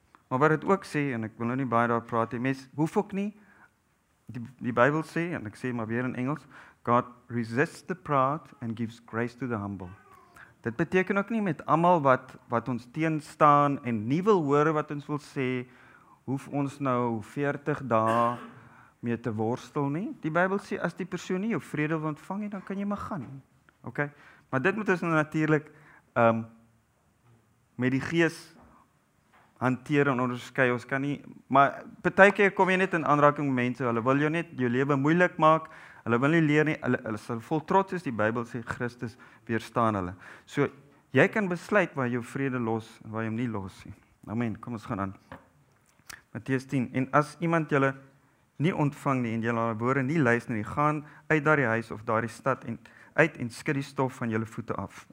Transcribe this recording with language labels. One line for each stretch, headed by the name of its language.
Afrikaans: Maar wat het ook sê, en ek wil nou nie baie daar praat, mens, hoef ook nie, die Bybel sê, en ek sê maar weer in Engels,
English: God resists the proud and gives grace to the humble.
Afrikaans: Dit beteken ook nie met allemaal wat ons teenstaan en nie wil hoor wat ons wil sê, hoef ons nou 40 dae mee te worstel nie. Die Bybel sê, as die persoon nie jou vrede wil ontvang, dan kan jy maar gaan. Okay? Maar dit moet ons natuurlijk met die gees hanteer en onderskei. Ons kan nie, maar baie keer kom jy net in aanraking met mense, hulle wil jou net jou lewe moeilik maak, hulle wil nie leer nie, hulle sal vol trots is, die Bybel sê, Christus weerstaan hulle. So, jy kan besluit waar jou vrede los, waar jy hom nie los sê. Amen, kom ons gaan aan. Matteus 10, en as iemand julle nie ontvang nie en julle woorde nie luister nie, gaan uit daar die huis of daar die stad en uit en skud die stof van julle voete af.